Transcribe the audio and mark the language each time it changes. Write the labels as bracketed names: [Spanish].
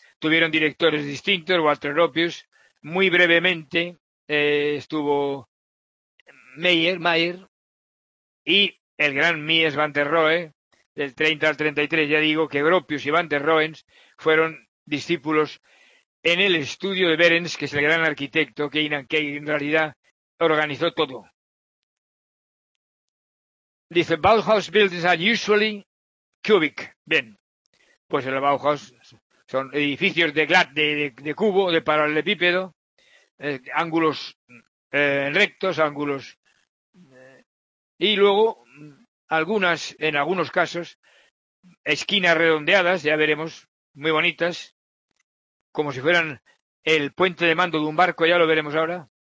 [Spanish] Tuvieron directores distintos, Walter Gropius, muy brevemente estuvo Mayer, y el gran Mies van der Rohe, del 30 al 33, ya digo que Gropius y van der Rohe fueron discípulos en el estudio de Behrens, que es el gran arquitecto que en realidad organizó todo. [English] Dice, Bauhaus buildings are usually cubic. [Spanish] Bien, pues el Bauhaus son edificios de glat, de cubo, de paralelepípedo, ángulos rectos, ángulos... y luego, algunas, en algunos casos, esquinas redondeadas, ya veremos, muy bonitas, como si fueran el puente de mando de un barco, ya lo veremos ahora.